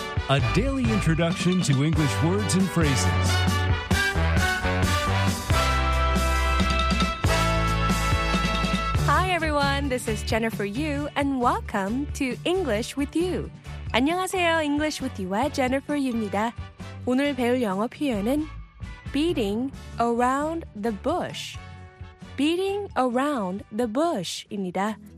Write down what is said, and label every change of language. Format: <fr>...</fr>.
<en>A daily introduction to English words and phrases. Hi everyone, this is Jennifer Yu and welcome to English with You.</en> <ko>안녕하세요, English with You의 Jennifer Yu입니다. 오늘 배울 영어 표현은</ko> <en>beating around the bush. Beating around the bush입니다.</en>